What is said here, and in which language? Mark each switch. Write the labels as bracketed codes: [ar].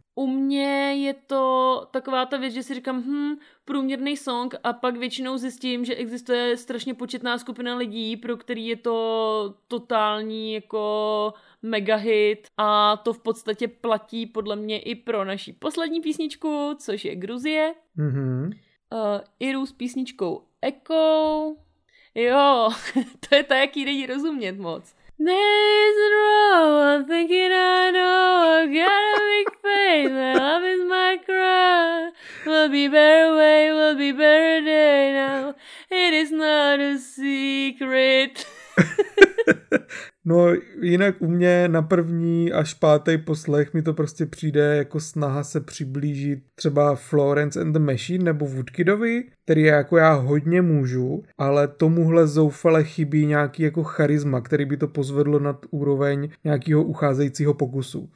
[cs] U mě je to taková ta věc, že si říkám, průměrný song a pak většinou zjistím, že existuje strašně početná skupina lidí, pro který je to totální jako mega hit a to v podstatě platí podle mě i pro naší poslední písničku, což je Gruzie. Mm-hmm. Iru s písničkou Echo. Jo, to je ta, jaký nejí rozumět moc. [en] Days in a row, I'm thinking I know, I got a big faith, my love is my cry, will be better way, will be better day now, it is not a secret. [cs] No jinak u mě na první až pátý poslech mi to prostě přijde jako snaha se přiblížit třeba Florence and the Machine nebo Woodkidovi, který jako já hodně můžu, ale tomuhle zoufale chybí nějaký jako charisma, který by to pozvedlo nad úroveň nějakého ucházejícího pokusu.